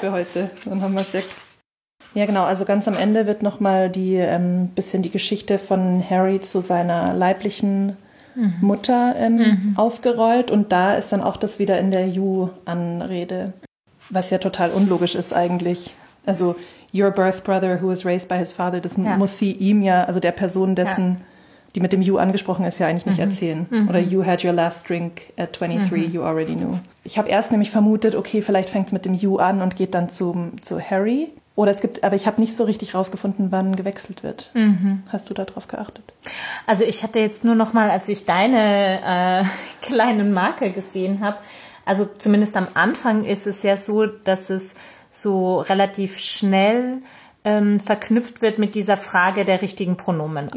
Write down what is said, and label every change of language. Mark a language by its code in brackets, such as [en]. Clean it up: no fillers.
[de] für heute. Dann haben wir es ja. Ja, genau. Also ganz am Ende wird nochmal bisschen die Geschichte von Harry zu seiner leiblichen Mutter aufgerollt. Und da ist dann auch das wieder in der You-Anrede. Was ja total unlogisch ist eigentlich. [en] Also, your birth brother who was raised by his father, [de] das Ja. muss sie ihm ja, also der Person Ja. dessen, die mit dem You angesprochen ist, ja eigentlich nicht erzählen. Oder [en] you had your last drink at 23, you already knew. [de] Ich habe erst nämlich vermutet, okay, vielleicht fängt es mit dem You an und geht dann zu Harry. Oder es gibt, aber ich habe nicht so richtig rausgefunden, wann gewechselt wird. Hast du da drauf geachtet? Also ich hatte jetzt nur noch mal, als ich deine kleinen Marker gesehen habe, also zumindest am Anfang ist es ja so, dass es so relativ schnell verknüpft wird mit dieser Frage der richtigen Pronomen auch,